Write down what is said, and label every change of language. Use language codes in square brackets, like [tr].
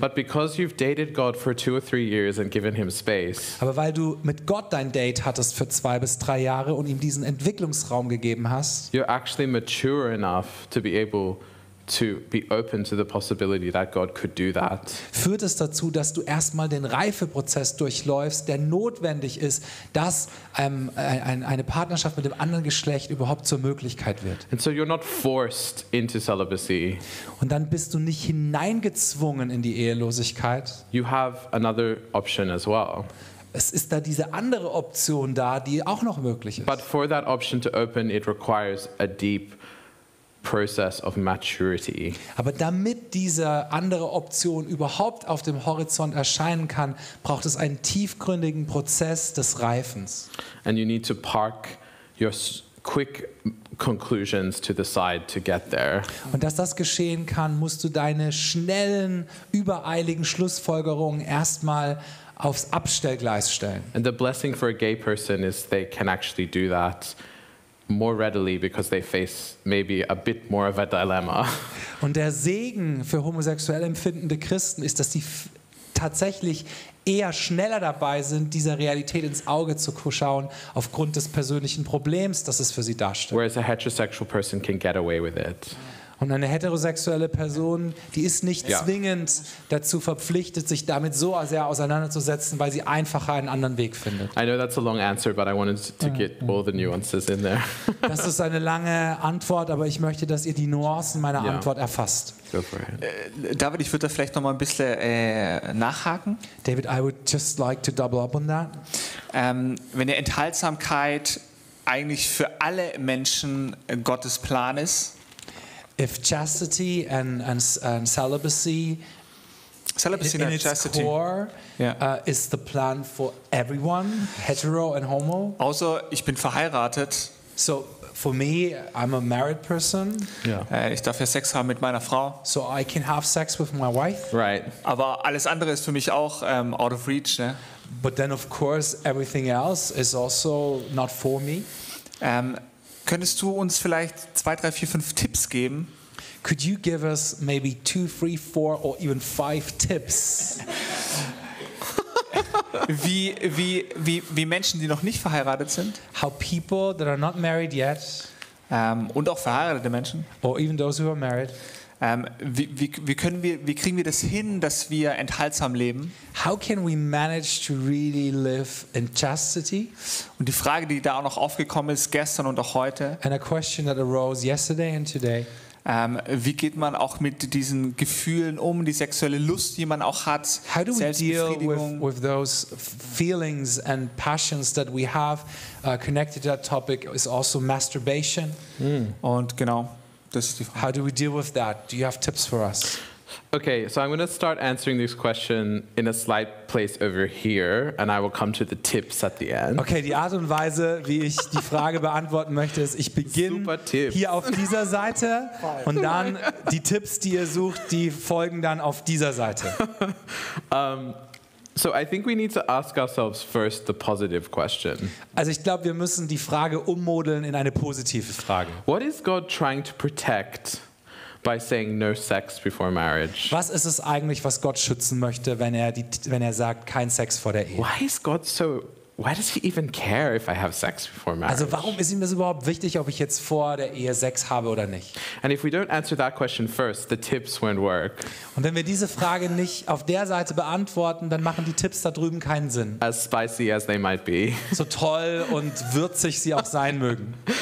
[en] But because you've dated God for 2 or 3 years and given him space. [de] Aber weil du mit Gott dein Date hattest für 2 bis 3 Jahre und ihm diesen Entwicklungsraum gegeben hast, [en] you're actually mature enough to be able to be open to the possibility that God could do that. [de] Führt es dazu, dass du erstmal den Reifeprozess durchläufst, der notwendig ist, dass eine Partnerschaft mit dem anderen Geschlecht überhaupt zur Möglichkeit wird. [en] And so you're not forced into celibacy. [de] Und dann bist du nicht hineingezwungen in die Ehelosigkeit. [en] You have another option as well. [de] Es ist da diese andere Option da, die auch noch möglich ist. [en] But for that option to open, it requires a deep process of maturity. [de] Aber damit diese andere Option überhaupt auf dem Horizont erscheinen kann, braucht es einen tiefgründigen Prozess des Reifens. [en] And you need to park your quick conclusions to the side to get there. [de] Und dass das geschehen kann, musst du deine schnellen, übereiligen Schlussfolgerungen erstmal aufs Abstellgleis stellen. [en] And the blessing for a gay person is they can actually do that more readily because they face maybe a bit more of a dilemma. [de] Und der Segen für homosexuell empfindende Christen ist, dass sie tatsächlich eher schneller dabei sind, dieser Realität ins Auge zu schauen aufgrund des persönlichen Problems, das es für sie darstellt. [en] Whereas a heterosexual person can get away with it. [de] Und eine heterosexuelle Person, die ist nicht zwingend dazu verpflichtet, sich damit so sehr auseinanderzusetzen, weil sie einfacher einen anderen Weg findet. [en] I know that's a long answer, but I wanted to get all the nuances in there. [de] Das ist eine lange Antwort, aber ich möchte, dass ihr die Nuancen meiner Antwort erfasst. [en] Go for it. [de] David, ich würde da vielleicht noch mal ein bisschen nachhaken. [en] David, I would just like to double up on that. [de] Wenn die Enthaltsamkeit eigentlich für alle Menschen Gottes Plan ist, [en] if chastity and celibacy in its chastity. Core is the plan for everyone, hetero and homo. [de] Also, ich bin verheiratet. [en] So for me, I'm a married person. Yeah. [de] Ich darf ja Sex haben mit meiner Frau. [en] So I can have sex with my wife. Right. [de] Aber alles andere ist für mich auch [en] out of reach. [de] Ne? [en] But then of course everything else is also not for me. [de] Könntest du uns vielleicht 2, 3, 4, 5 Tipps geben? [en] Could you give us maybe 2, 3, 4 or even 5 Tipps? [de] wie Menschen, die noch nicht verheiratet sind? [en] How people that are not married yet? [de] Und auch verheiratete Menschen? [en] Or even those who are married? [de] Wie kriegen wir das hin, dass wir enthaltsam leben? [en] How can we manage to really live in chastity? [de] Und die Frage, die da auch noch aufgekommen ist gestern und auch heute. [en] And a question that arose yesterday and today. [de] Wie geht man auch mit diesen Gefühlen um, die sexuelle Lust, die man auch hat, Selbstbefriedigung? [en] How do we deal with those feelings and passions that we have? Connected to that topic is also masturbation. [de] Mm. Und genau. [en] How do we deal with that? Do you have tips for us? Okay, so I'm going to start answering this question in a slight place over here, and I will come to the tips at the end. [de] Okay, die Art und Weise, wie ich die Frage beantworten möchte, ist, ich beginne hier auf dieser Seite, und dann die Tipps, die ihr sucht, die folgen dann auf dieser Seite. [en] So I think we need to ask ourselves first the positive question. [de] Also ich glaube, wir müssen die Frage ummodeln in eine positive Frage. [en] What is God trying to protect by saying no sex before marriage. [de] Was ist es eigentlich, was Gott schützen möchte, wenn er die, wenn er sagt, kein Sex vor der Ehe? [en] Why is God so? Why does he even care if I have sex before marriage? [de] Also warum ist ihm das überhaupt wichtig, ob ich jetzt vor der Ehe Sex habe oder nicht? [en] And if we don't answer that question first, the tips won't work. [de] Und wenn wir diese Frage nicht auf der Seite beantworten, dann machen die Tipps da drüben keinen Sinn. [en] As spicy as they might be. [de] So toll und würzig sie auch sein mögen.